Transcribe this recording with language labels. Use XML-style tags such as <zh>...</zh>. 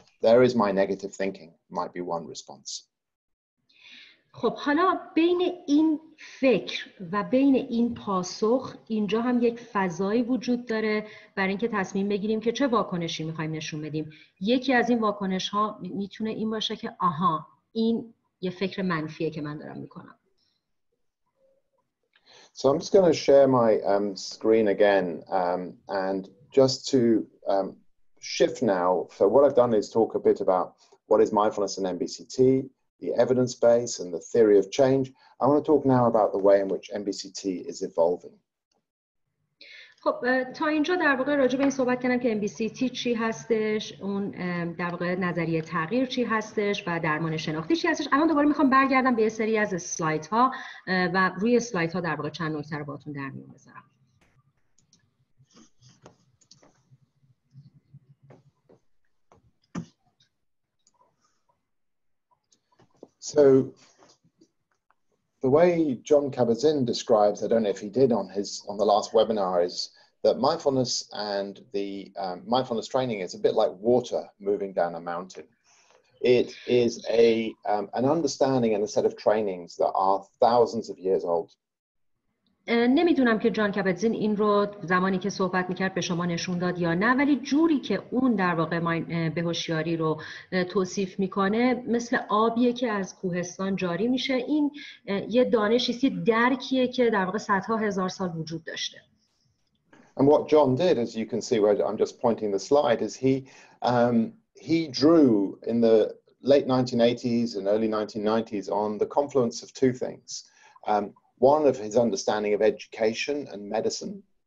<en>There is my negative thinking, might be one response.</en> <fa>خب حالا بین این فکر و بین این پاسخ اینجا هم یک فضایی وجود داره برای اینکه تصمیم بگیریم که چه واکنشی میخوایم نشون بدیم. یکی از این واکنش ها میتونه این باشه که آها، این یه فکر منفیه که من دارم میکنم.</fa> <en>So I'm just going to share my screen again and just to shift now. So what I've done is talk a bit about what is mindfulness and MBCT, the evidence base and the theory of change. I want to talk now about the way in which MBCT is evolving.</en> <fa>خب تا اینجا در واقع راجع به این صحبت کردم که MBCT چی هستش، اون در واقع نظریه تغییر چی هستش و درمان شناختی چی هستش. الان دوباره میخوام برگردم به یه سری از سلایت ها و روی سلایت ها در واقع چند نکته رو باهاتون در میون بذارم.</fa> <en>So the way John Kabat-Zinn describes, I don't know if he did on the last webinar, is that mindfulness and the mindfulness training is a bit like water moving down a mountain. It is an understanding and a set of trainings that are thousands of years old.</en> <fa>نمیدونم که جان کبت‌زین این رو زمانی که صحبت میکرد به شما نشون داد یا نه، ولی جوری که اون در واقع به هوشیاری رو توصیف میکنه مثل آبیه که از کوهستان جاری میشه. این یه دانشیست، یه درکیه که در واقع صدها هزار سال وجود داشته.</fa> <en>And what John did, as you can see where I'm just pointing the slide, is he drew in the late 1980s and early 1990s on the confluence of two things. One of his understanding of education and medicine.</en>